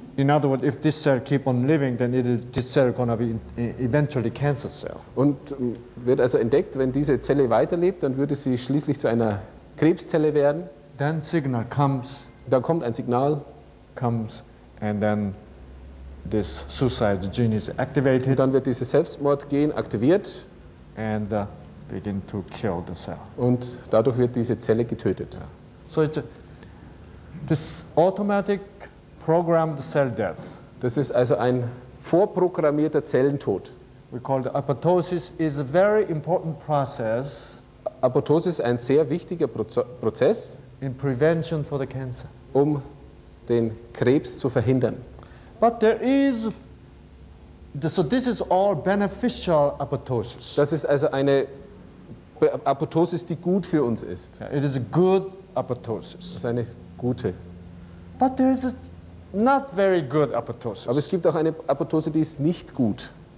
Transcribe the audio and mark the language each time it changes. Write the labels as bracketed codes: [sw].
[en] In other words, if this cell keep on living, then this cell gonna be eventually cancer cell. [de] Und wird also entdeckt, wenn diese Zelle weiterlebt, dann würde sie schließlich zu einer Krebszelle werden. [en] Then signal comes. [de] Dann kommt ein Signal. [en] Comes and then this suicide gene is activated. [de] Und dann wird dieses Selbstmordgen aktiviert. [en] And begin to kill the cell. [de] Und dadurch wird diese Zelle getötet. [en] Yeah. So it's this automatic programmed cell death. [de] Das ist also ein vorprogrammierter Zellentod. [en] We call it apoptosis is a very important process. [de] Apoptosis ist ein sehr wichtiger Prozess [en] in prevention for the cancer. [de] Um den Krebs zu verhindern. [en] But there is so this is all beneficial apoptosis. [de] Das ist also eine Apoptosis, die gut für uns ist. [en] Yeah, it is a good apoptosis. [de] Das ist eine gute. [en] But there is a not very good apoptosis. [de] Aber es gibt auch eine Apoptose, die ist nicht gut.